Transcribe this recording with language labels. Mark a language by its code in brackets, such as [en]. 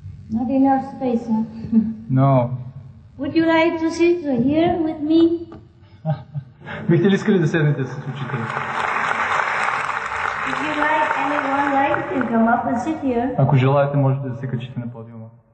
[en] Not enough space, huh? No. Would you like to sit here with me? [bg] Бихте ли искали да седнете с учителя? [en] If you like anyone like to come up and sit here. [bg] Ако желаете, можете да се качите на подиума.